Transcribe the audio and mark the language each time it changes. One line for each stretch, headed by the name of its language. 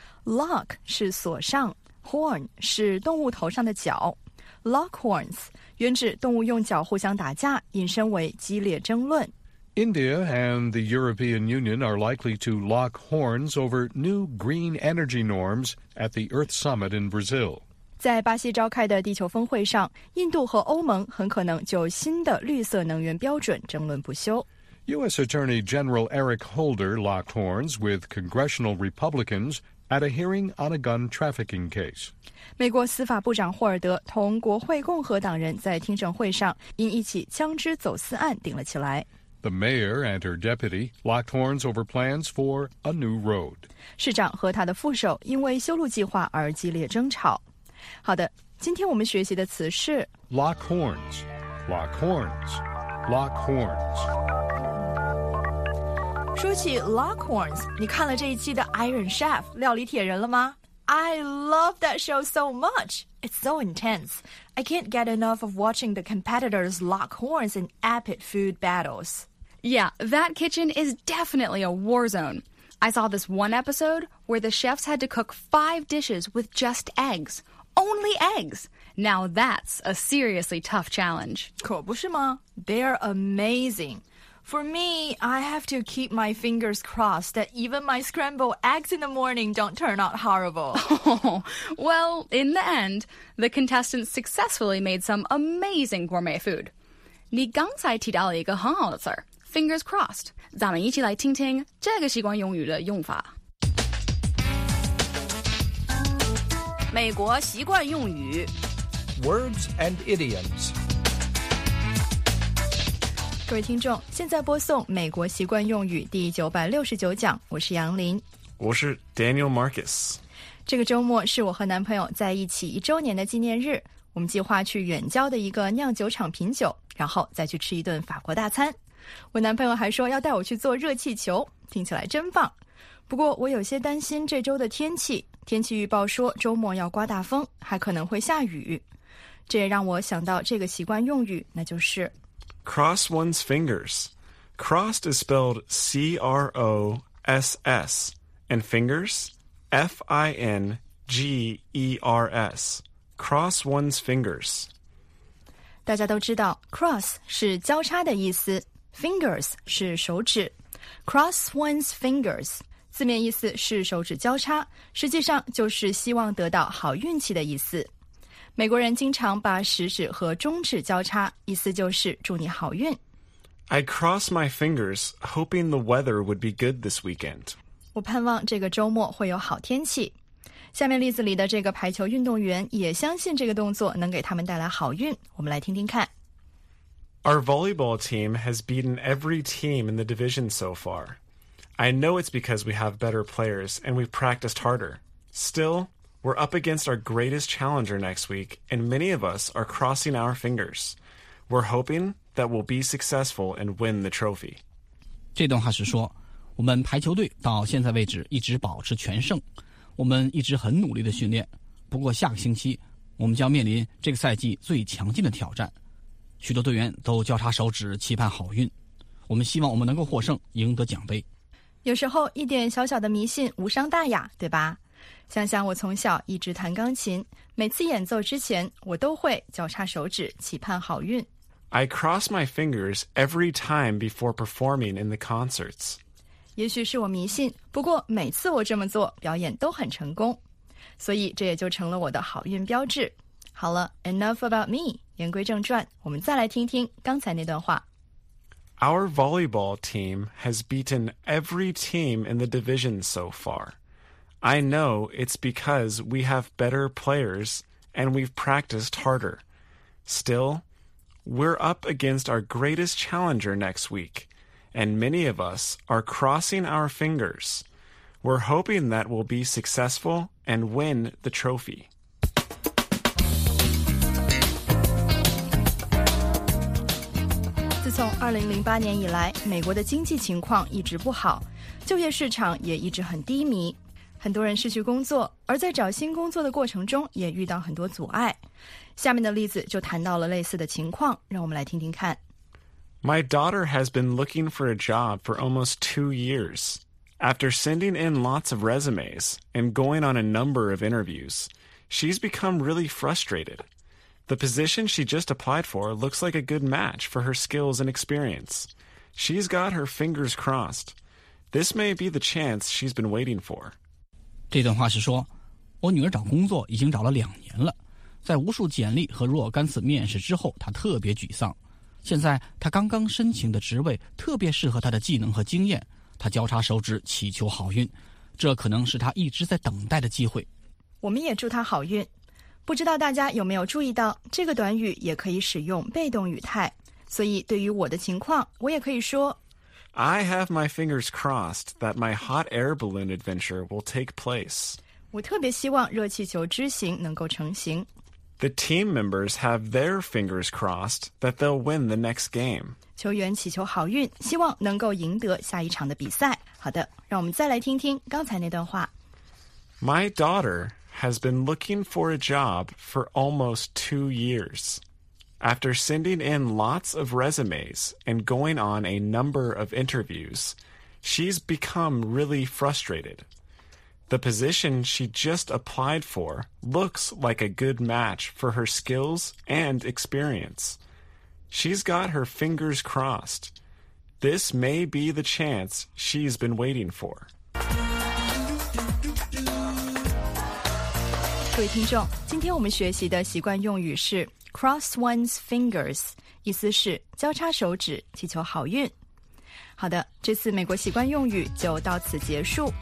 Chinese: Lock 是锁上， horn 是动物头上的角。 Lock horns 原指动物用角互相打架，引申为激烈争论。
English: India and the European Union are likely to lock horns over new green energy norms at the Earth Summit in Brazil.
Chinese: 在巴西召开的地球峰会上，印度和欧盟很可能就新的绿色能源标准争论不休。
English: U.S. Attorney General Eric Holder locked horns with congressional Republicans at a hearing on a gun trafficking case.
Chinese: 美国司法部长霍尔德同国会共和党人在听证会上因一起枪支走私案顶了起来。
English: The mayor and her deputy locked horns over plans for a new road.
Chinese: 市长和他的副手因为修路计划而激烈争吵。好的，今天我们学习的词是
English: lock horns, lock horns, lock horns.
Chinese: 说起 lock horns, 你看了这一期的 Iron Chef, 料理铁人了吗?
English: I love that show so much. It's so intense. I can't get enough of watching the competitors lock horns in epic food battles. Yeah, that kitchen is definitely a war zone. I saw this one episode where the chefs had to cook 5 dishes with just eggs. Only eggs. Now that's a seriously tough challenge.
Chinese: 可不是吗?
English: They are amazing. For me, I have to keep my fingers crossed that even my scrambled eggs in the morning don't turn out horrible. Oh, well, in the end, the contestants successfully made some amazing gourmet food.
Chinese: 你刚才提到了一个很好的词儿 fingers crossed. 咱们一起来听听这个习惯用语的用法。美国习惯用语
English: Words and idioms.
Chinese: 各位听众，现在播送美国习惯用语第969讲，我是杨林。我是 Daniel Marcus。这个周末是我和男朋友在一起一周年的纪念日，我们计划去远郊的一个酿酒厂品酒，然后再去吃一顿法国大餐。我男朋友还说要带我去坐热气球，听起来真棒。不过我有些担心这周的天气，天气预报说周末要刮大风，还可能会下雨。这也让我想到这个习惯用语，那就是
English: Cross one's fingers. Crossed is spelled C-R-O-S-S, and fingers, F-I-N-G-E-R-S. Cross one's fingers.
Chinese: 大家都知道 cross 是交叉的意思， fingers 是手指。 Cross one's fingers 字面意思是手指交叉，实际上就是希望得到好运气的意思。美国人经常把食指和中指交叉，意思就是祝你好运。
English: I cross my fingers, hoping the weather would be good this weekend.
Chinese: 我盼望这个周末会有好天气。下面例子里的这个排球运动员也相信这个动作能给他们带来好运，我们来听听看。
English: Our volleyball team has beaten every team in the division so far. I know it's because we have better players and we've practiced harder. Still... We're up against our greatest challenger next week, and many of us are crossing our fingers. We're hoping that we'll be successful and win the trophy.
Chinese: 这段话是说，我们排球队到现在为止一直保持全胜，我们一直很努力的训练。不过下个星期，我们将面临这个赛季最强劲的挑战。许多队员都交叉手指期盼好运，我们希望我们能够获胜，赢得奖杯。有时候一点小小的迷信无伤大雅，对吧？想想我从小一直弹钢琴，每次演奏之前我都会交叉手指期盼好运。
English: I cross my fingers every time before performing in the concerts.
Chinese: 也许是我迷信，不过每次我这么做表演都很成功，所以这也就成了我的好运标志。好了，
English: enough about me,
Chinese: 言归正传，我们再来听听刚才那段话。
English: Our volleyball team has beaten every team in the division so far. I know it's because we have better players and we've practiced harder. Still, we're up against our greatest challenger next week, and many of us are crossing our fingers. We're hoping that we'll be successful and win the trophy.
Chinese: 从2008年以来，美国的经济情况一直不好，就业市场也一直很低迷，很多人失去工作，而在找新工作的过程中也遇到很多阻碍。下面的例子就谈到了类似的情况，让我们来听听看。
English: My daughter has been looking for a job for almost 2 years. After sending in lots of resumes and going on a number of interviews, she's become really frustrated. The position she just applied for looks like a good match for her skills and experience. She's got her fingers crossed. This may be the chance she's been waiting for.
Chinese: 这段话是说，我女儿找工作已经找了2年了，在无数简历和若干次面试之后，她特别沮丧。现在她刚刚申请的职位特别适合她的技能和经验，她交叉手指祈求好运，这可能是她一直在等待的机会。我们也祝她好运。不知道大家有没有注意到，这个短语也可以使用被动语态，所以对于我的情况，我也可以说
English: I have my fingers crossed that my hot air balloon adventure will take place.
Chinese: 我特别希望热气球之行能够成行。
English: The team members have their fingers crossed that they'll win the next game.
Chinese: 球员祈求好运，希望能够赢得下一场的比赛。好的，让我们再来听听刚才那段话。
English: My daughterhas been looking for a job for almost 2 years. After sending in lots of resumes and going on a number of interviews, she's become really frustrated. The position she just applied for looks like a good match for her skills and experience. She's got her fingers crossed. This may be the chance she's been waiting for.
Chinese: 各位听众，今天我们学习的习惯用语是 cross one's fingers， 意思是交叉手指祈求好运。好的，这次美国习惯用语就到此结束。